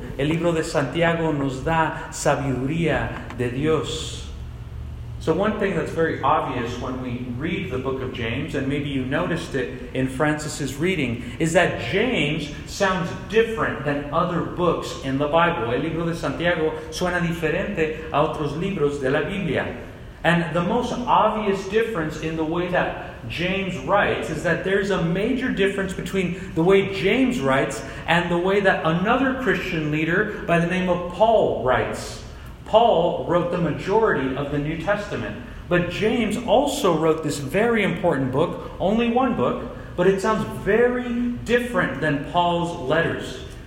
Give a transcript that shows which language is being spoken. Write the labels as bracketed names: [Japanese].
[Spanish] El libro de Santiago nos da sabiduría de Dios. [English] So one thing that's very obvious when we read the book of James, and maybe you noticed it in Francis's reading, is that James sounds different than other books in the Bible. [Spanish] El libro de Santiago suena diferente a otros libros de la Biblia. [English] And the most obvious difference in the way that James writes is that there's a major difference between the way James writes and the way that another Christian leader by the name of Paul writes. Paul wrote the majority of the New Testament. But James also wrote this very important book, only one book, but it sounds very different than Paul's letters.